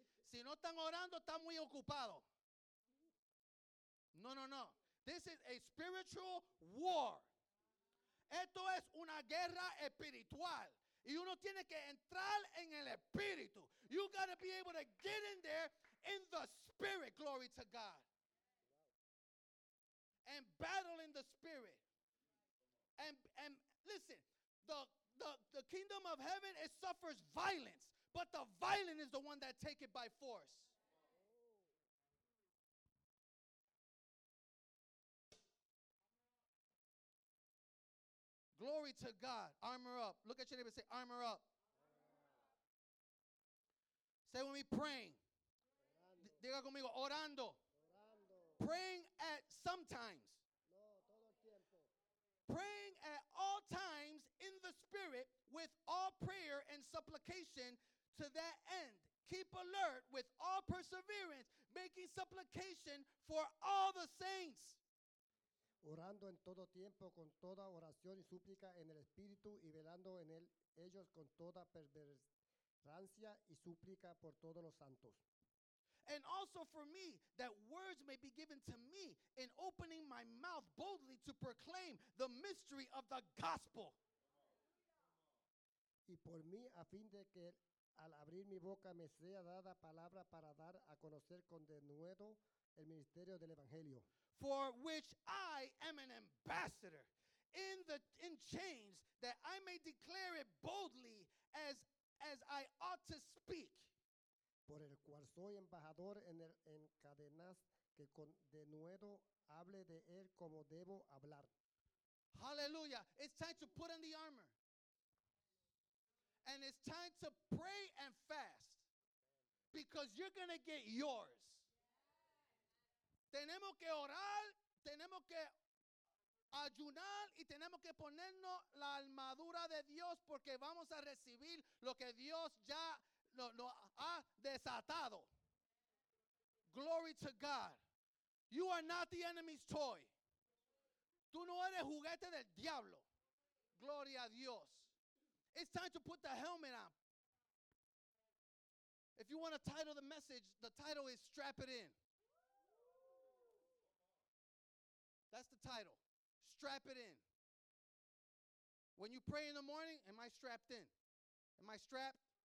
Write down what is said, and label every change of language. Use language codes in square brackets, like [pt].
[es] Si no están orando, están muy ocupados. [en] No. This is a spiritual war. [es] Esto es una guerra espiritual. Y uno tiene que entrar en el espíritu. [en] You got to be able to get in there in the spirit, glory to God. And battle in the spirit. And listen, the kingdom of heaven, it suffers violence. But the violent is the one that take it by force. Glory to God. Armor up. Look at your neighbor and say, armor up. Say with me, praying. [es] Diga conmigo, orando. [en] Praying at sometimes. Praying at all times in the spirit with all prayer and supplication to that end. Keep alert with all perseverance, making supplication for all the saints. [es] Orando en todo tiempo con toda oración y súplica en el Espíritu y velando en él ellos con toda perseverancia y súplica por todos los santos. [en] And also for me, that words may be given to me in opening my mouth boldly to proclaim the mystery of the gospel. [es] Y por mí, a fin de que al abrir mi boca me sea dada palabra para dar a conocer con denuedo el ministerio del Evangelio. [en] For which I am an ambassador in chains, that I may declare it boldly as I ought to speak. [es] Por el cual soy embajador en cadenas, que con denuedo hable de él como debo hablar. [en] Hallelujah. It's time to put on the armor. And it's time to pray and fast. Because you're going to get yours. [es] Tenemos que orar, tenemos que ayunar y tenemos que ponernos la armadura de Dios porque vamos a recibir lo que Dios ya nos ha desatado. [en] Glory to God. You are not the enemy's toy. [es] Tú no eres juguete del diablo. Gloria a Dios. [en] It's time to put the helmet on. If you want to title the message, the title is Strap It In. That's the title. Strap It In. When you pray in the morning, am I strapped in? Am I strapped?